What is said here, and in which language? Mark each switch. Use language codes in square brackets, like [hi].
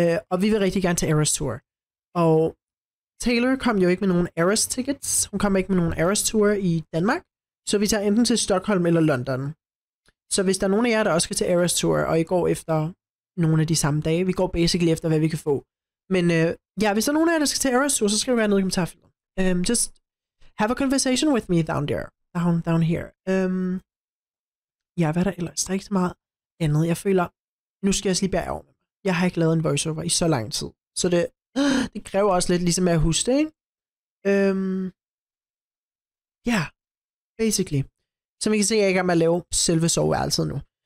[da] Og vi vil rigtig gerne til Eras Tour. Og Taylor kom jo ikke med nogen Eras tickets. Hun kom ikke med nogen Eras Tour i Danmark. Så vi tager enten til Stockholm eller London. Så hvis der er nogen af jer, der også skal til Eras Tour, og I går efter nogle af de samme dage, vi går basically efter, hvad vi kan få. Men ja, hvis der er nogen af jer, der skal til Eras Tour, så skal vi være nede i kommentarfeltet. [en] Just have a conversation with me down there. Down here. [da] Ja, hvad er der ellers? Der er ikke så meget andet. Jeg føler, nu skal jeg også lige bære over. Jeg har ikke lavet en voiceover i så lang tid. Så det kræver også lidt ligesom at huske det, ikke? Basically. Som I kan se, jeg er ikke om at lave selve soveværelset nu.